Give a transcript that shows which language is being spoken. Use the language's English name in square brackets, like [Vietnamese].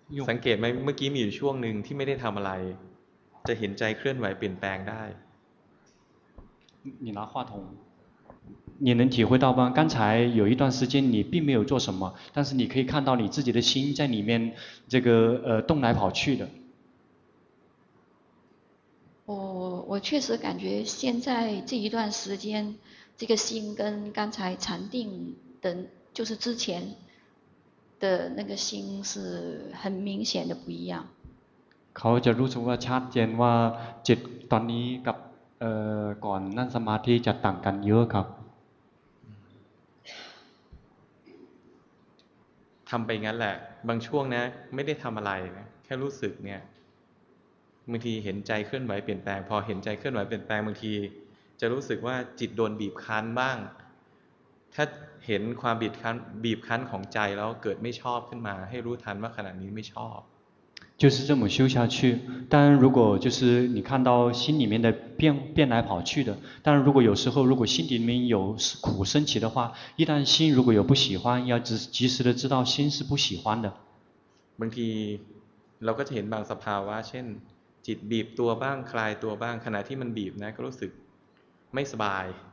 [Thai] สังเกตไหมเมื่อกี้มีอยู่ช่วงหนึ่งที่ไม่ได้ทำอะไรจะเห็นใจเคลื่อนไหวเปลี่ยนแปลงได้ [Chinese] 你拿话筒你能体会到吗？刚才有一段时间你并没有做什么，但是你可以看到你自己的心在里面这个动来跑去的。我确实感觉现在这一段时间，这个心跟刚才禅定的，就是之前的那个心是很明显的不一样。 [Thai] เขาจะรู้สึกว่าชัดเจนว่าจิตตอนนี้กับก่อนนั่งสมาธิจะต่างกันเยอะครับ ทำไปงั้นแหละบางช่วงนะไม่ได้ทำอะไรนะแค่รู้สึกเนี่ยบางทีเห็นใจเคลื่อนไหวเปลี่ยนแปลงพอเห็นใจเคลื่อนไหวเปลี่ยนแปลงบางทีจะรู้สึกว่าจิตโดนบีบคั้นบ้างถ้าเห็นความบีบคั้นของใจแล้วเกิดไม่ชอบขึ้นมาให้รู้ทันว่าขณะนี้ไม่ชอบ [Chinese] 就是这么修下去，但如果就是你看到心里面的变来跑去的，但如果有时候如果心里面有苦升起的话，一旦心如果有不喜欢，要及时的知道心是不喜欢的。 [Thai] บางทีเราก็จะเห็นบางสภาวะเช่นจิตบีบตัวบ้างคลายตัวบ้างขณะที่มันบีบนะก็รู้สึกไม่สบาย